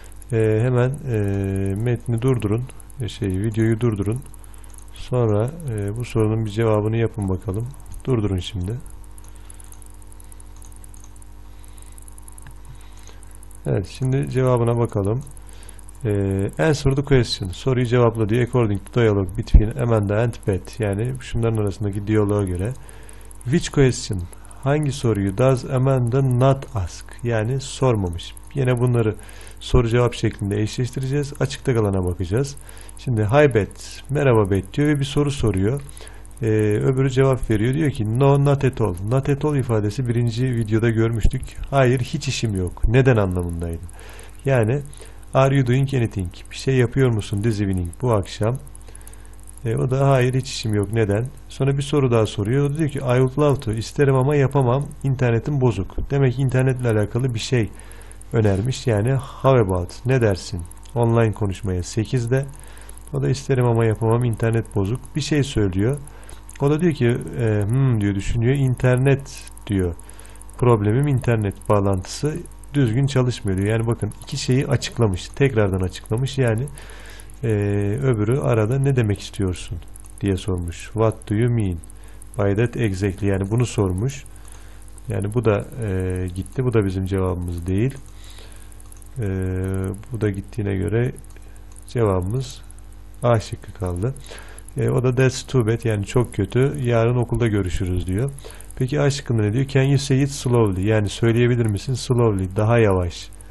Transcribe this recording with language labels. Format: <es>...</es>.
<tr>Hemen metni durdurun, videoyu durdurun. Sonra bu sorunun bir cevabını yapın bakalım. Durdurun şimdi. Evet, şimdi cevabına bakalım.</tr> <en>Answer the question.</en> <tr>Soruyu cevapladı.</tr> <en>According to dialogue between Amanda and Pat.</en> <tr>Yani şunların arasındaki diyaloğa göre.</tr> <en>Which question?</en> <tr>Hangi soruyu</tr> <en>does Amanda not ask?</en> <tr>Yani sormamış. Yine bunları soru cevap şeklinde eşleştireceğiz. Açıkta kalana bakacağız. Şimdi hi Bet, merhaba Bet diyor ve bir soru soruyor. Öbürü cevap veriyor. Diyor ki</tr> <en>no not at all. Not at all</en> <tr>ifadesi birinci videoda görmüştük. Hayır hiç işim yok. Neden anlamındaydı.</tr> <en>Yani are you doing anything?</en> <tr>Bir şey yapıyor musun</tr> <en>this evening</en> <tr>bu akşam? O da hayır hiç işim yok. Neden? Sonra bir soru daha soruyor. O da diyor ki</tr> <en>I would love to.</en> <tr>İsterim ama yapamam. İnternetim bozuk. Demek ki internetle alakalı bir şey önermiş. Yani</tr> <en>how about?</en> <tr>Ne dersin? Online konuşmaya 8'de. O da isterim ama yapamam. İnternet bozuk. Bir şey söylüyor. O da diyor ki diyor düşünüyor. İnternet diyor. problemim internet bağlantısı düzgün çalışmıyor diyor. Yani bakın iki şeyi açıklamış, tekrardan açıklamış. Yani öbürü arada ne demek istiyorsun diye sormuş.</tr> <en>What do you mean by that exactly?</en> <tr>Yani bunu sormuş. Yani bu da gitti. Bu da bizim cevabımız değil. Bu da gittiğine göre cevabımız A şıkkı kaldı. O da</tr> <en>that's too bad,</en> <tr>yani çok kötü. Yarın okulda görüşürüz diyor. Peki A şıkkında ne diyor?</tr> <en>Can you say it slowly?</en> <tr>Yani söyleyebilir misin?</tr> <en>Slowly,</en> <tr>daha yavaş.</tr>